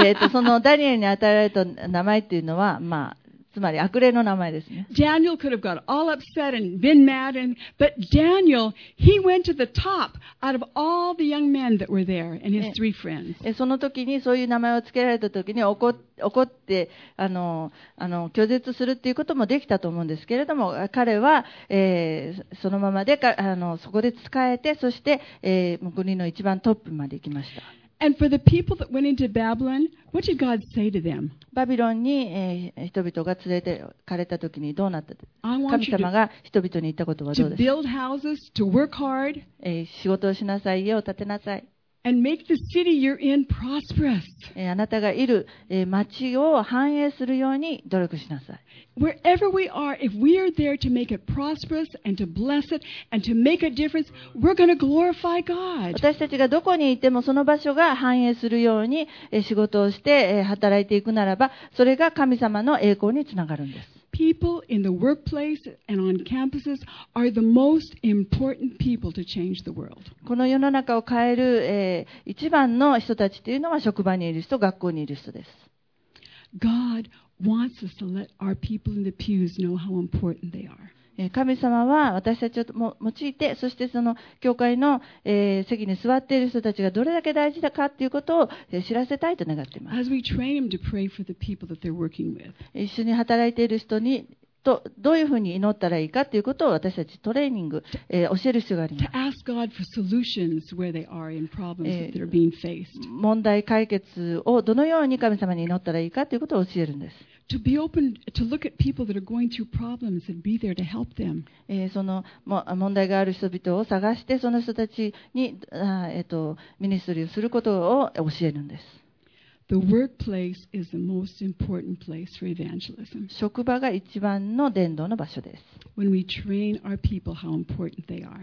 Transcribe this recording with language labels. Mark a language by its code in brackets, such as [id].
[ja] そのダニエルに与えられた名前っていうのは、まあ、つまり悪霊の名前ですね。 [en] Daniel could have got all upset and been mad, and, but Daniel, he went to the top out of all the young men that were there and his three friends. [ja] その時にそういう名前を付けられた時に怒って拒絶するっていうこともできたと思うんですけれども、彼は、そのままでかそこで仕えて、そして、国の一番トップまで行きました。 [en] And for the people that went into Babylon, what did God say to them? [ja] バビロンに、人々が連れて行かれた時にどうなった？神様が人々に言ったことはどうです？ [en] To build houses, to work hard, [ja] 仕事をしなさい、家を建てなさい。 [en] And make the city you're in prosperous. [ja] あなたがいる、町を繁栄するように努力しなさい。 [en] Wherever we are, if we are there to make it prosperous and to bless it and to make a difference, we're going to glorify God. [ja] 私たちがどこにいてもその場所が繁栄するように、仕事をして、働いていくならば、それが神様の栄光につながるんです。 [en] People in the workplace and on campuses are the most important people to change the world. [ja] この世の中を変える、一番の人たちというのは職場にいる人、学校にいる人です。 [en] God wants us to let our people in the pews know how important they are. [ja] 神様は私たちを用いて、そしてその教会の、席に座っている人たちがどれだけ大事だかということを、知らせたいと願っています。 [en] As we train them to pray for the people that they're working with. [ja] 一緒に働いている人にどういうふうに祈ったらいいかということを私たちトレーニング、教える必要があります。 [en] To ask God for solutions where they are in problems that are being faced. [ja] 問題解決をどのように神様に祈ったらいいかということを教えるんです。 [en] To be open to look at people that are going through problems and be there to help them. [ja] その問題がある人々を探して、その人たちにミニストリーをすることを教えるんです。 [en] The workplace is the most important place for evangelism. [ja] 職場が一番の伝道の場所です。 [en] When we train our people how important they are.